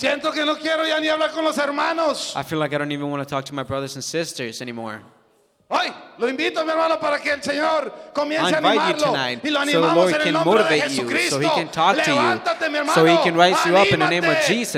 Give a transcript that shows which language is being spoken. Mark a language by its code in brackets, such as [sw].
[es] Siento que no quiero ya ni hablar con los hermanos. [en] I feel like I don't even want to talk to my brothers and sisters anymore. [es] Hoy lo invito, mi hermano, para que el Señor comience a animarlo. [en] I invite you tonight so the Lord can motivate you, so he can talk to you, so he can raise you up in the name of Jesus.